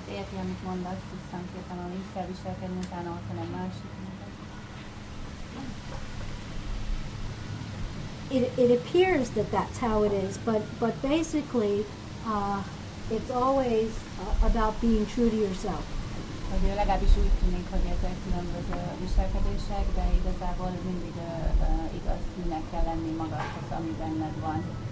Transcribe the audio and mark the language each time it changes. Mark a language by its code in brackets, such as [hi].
[hu] Érti, amit mondasz, hogy Sankirtanon így kell viselkedni, utána ott van egy másik. [en] It appears that's how it is, but basically, it's always about being true to yourself. [hu] Hogy legalábbis úgy tűnik, hogy ezek különböző viselkedések, de igazából mindig igaz tűnek kell lenni magadhoz, ami benned van.